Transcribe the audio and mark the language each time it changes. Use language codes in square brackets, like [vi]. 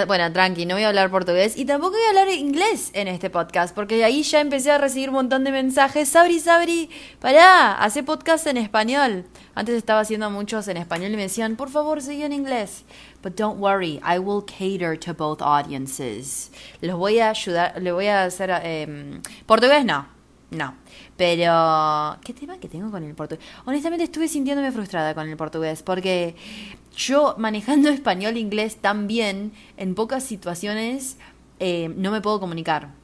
[es] Bueno, tranqui, no voy a hablar portugués y tampoco voy a hablar inglés en este podcast, porque ahí ya empecé a recibir un montón de mensajes. Sabri, pará, hace podcast en español. Antes estaba haciendo muchos en español y me decían, por favor, sigue en inglés. [en] But don't worry, I will cater to both audiences. [es] Los voy a ayudar, le voy a hacer. Portugués no. No, pero ¿qué tema que tengo con el portugués? Honestamente estuve sintiéndome frustrada con el portugués porque yo manejando español e inglés tan bien, en pocas situaciones no me puedo comunicar.